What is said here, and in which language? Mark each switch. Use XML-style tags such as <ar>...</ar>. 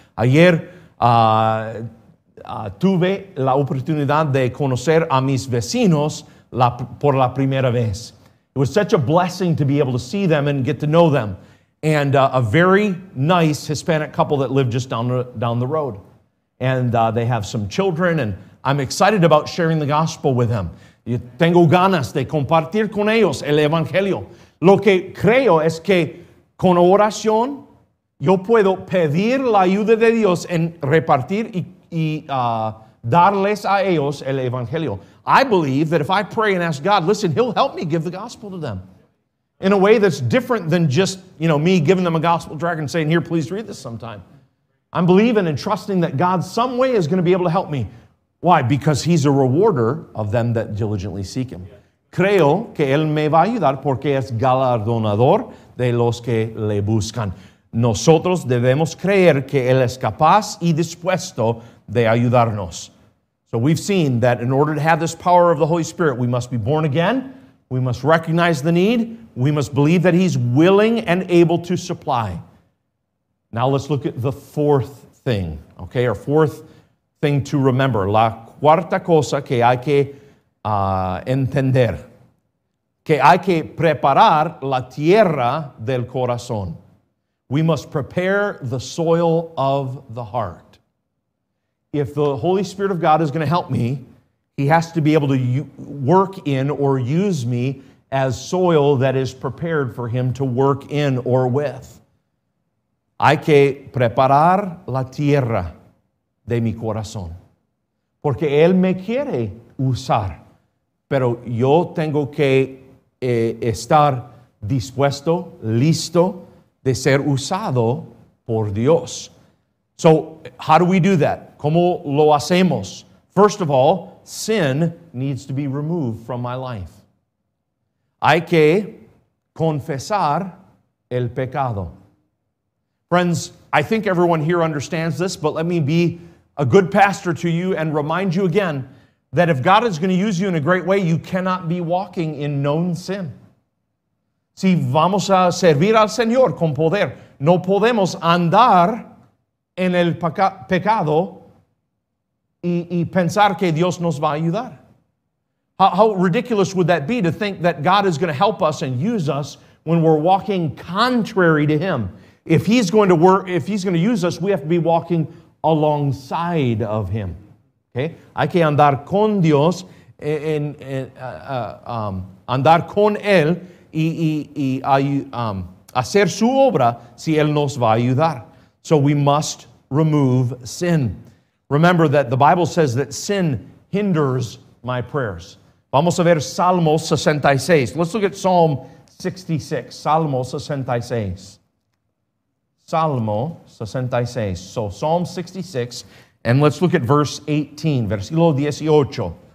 <es>Ayer tuve la oportunidad de conocer a mis vecinos por la primera vez.</es> <en>It was such a blessing to be able to see them and get to know them. and a very nice Hispanic couple that live just down the road. And they have some children, and I'm excited about sharing the gospel with them.</en> <es>Yo tengo ganas de compartir con ellos el evangelio. Lo que creo es que con oración yo puedo pedir la ayuda de Dios en repartir y darles a ellos el evangelio.</es> <en>I believe that if I pray and ask God, listen, he'll help me give the gospel to them in a way that's different than just, you know, me giving them a gospel tract and saying, here, please read this sometime. I'm believing and trusting that God some way is going to be able to help me. Why? Because he's a rewarder of them that diligently seek him.</en> <es>Creo que él me va a ayudar porque es galardonador de los que le buscan. Nosotros debemos creer que él es capaz y dispuesto de ayudarnos.</es> <en>So we've seen that in order to have this power of the Holy Spirit, we must be born again. We must recognize the need. We must believe that he's willing and able to supply. Now let's look at the fourth thing, okay? Our fourth thing to remember.</en> <es>La cuarta cosa que hay que entender. Que hay que preparar la tierra del corazón.</es> <en>We must prepare the soil of the heart. If the Holy Spirit of God is going to help me, he has to be able to work in or use me as soil that is prepared for him to work in or with.</en> <es>Hay que preparar la tierra de mi corazón. Porque él me quiere usar. Pero yo tengo que estar dispuesto, listo, de ser usado por Dios.</es> <en>So, how do we do that?</en> <es>¿Cómo lo hacemos?</es> <en>First of all, sin needs to be removed from my life.</en> <es>Hay que confesar el pecado.</es> <en>Friends, I think everyone here understands this, but let me be a good pastor to you and remind you again that if God is going to use you in a great way, you cannot be walking in known sin.</en> <es>Si vamos a servir al Señor con poder, no podemos andar en el pecado y pensar que Dios nos va a ayudar.</es> <en>How ridiculous would that be to think that God is going to help us and use us when we're walking contrary to him? If he's going to work, if he's going to use us, we have to be walking alongside of him. Okay?</en> <es>Hay que andar con Dios, andar con él y hacer su obra si él nos va a ayudar.</es> <en>So we must remove sin. Remember that the Bible says that sin hinders my prayers.</en> <es>Vamos a ver Salmo 66.</es> <en>Let's look at Psalm 66.</en> <es>Salmo 66. Salmo 66.</es> <en>So Psalm 66, and let's look at verse 18,</en> <es>versículo 18.</es>